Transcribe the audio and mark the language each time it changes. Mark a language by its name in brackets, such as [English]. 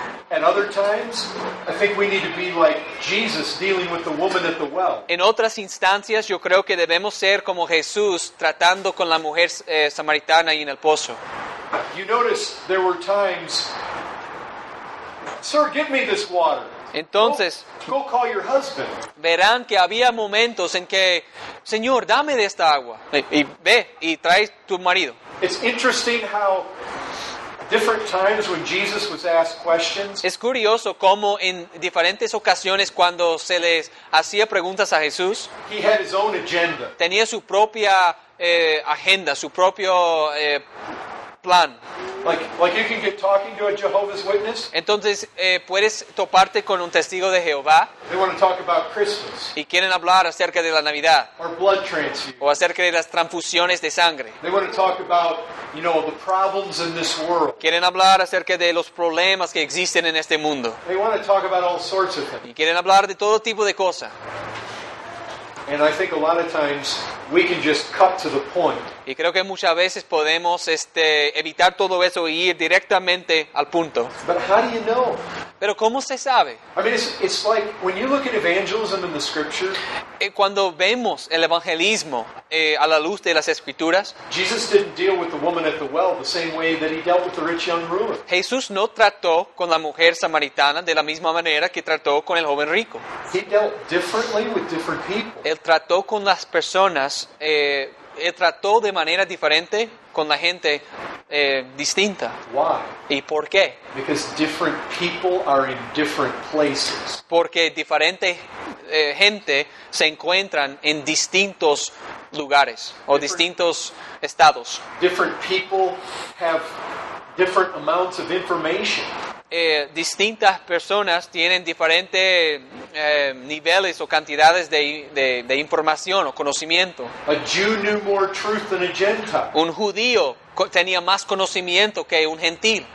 [English] At other times, I think we need to be like Jesus dealing with the woman at the well. [Spanish] En otras instancias, yo creo que debemos ser como Jesús tratando con la mujer samaritana y en el pozo. [English] You notice there were times, "Sir, give me this water." [Spanish] Entonces, [English] go call your husband. [Spanish] Verán que había momentos en que, "Señor, dame de esta agua." Y ve y trae tu marido. [English] It's interesting how different times when Jesus was asked questions. [Spanish] Es curioso cómo en diferentes ocasiones cuando se les hacía preguntas a Jesús, [English] he had his own agenda. [Spanish] Tenía su propia agenda, su propio plan. [English] Like you can get talking to a Jehovah's Witness. [Spanish] Entonces puedes toparte con un testigo de Jehová. [English] They want to talk about Christmas. [Spanish] Y quieren hablar acerca de la Navidad. [English] Or blood transfusion. [Spanish] O acerca de las transfusiones de sangre. [English] They want to talk about, you know, the problems in this world. [Spanish] Quieren hablar acerca de los problemas que existen en este mundo. [English] They want to talk about all sorts of things. [Spanish] Y quieren hablar de todo tipo de cosas. [English] And I think a lot of times we can just cut to the point. [Spanish] Y creo que muchas veces podemos evitar todo eso y ir directamente al punto. [English] But how do you know? [Spanish] Pero ¿cómo se sabe? [English] I mean, it's like when you look at evangelism in the scripture. [Spanish] Cuando vemos el evangelismo a la luz de las escrituras. [English] Jesus didn't deal with the woman at the well the same way that he dealt with the rich young ruler. [Spanish] Jesús no trató con la mujer samaritana de la misma manera que trató con el joven rico. [English] He dealt differently with different people. [Spanish] Él trató con las personas. Él trató de manera diferente con la gente distinta. [English] Why? [Spanish] ¿Y por qué? [English] Because different people are in different places. [Spanish] Porque diferente gente se encuentran en distintos lugares o distintos estados. [English] Different people have different amounts of information. [Spanish] Distintas personas tienen diferentes niveles o cantidades de información o conocimiento. [English] A Jew knew more truth than a Gentile. [Spanish] Un judío tenía más conocimiento que un gentil.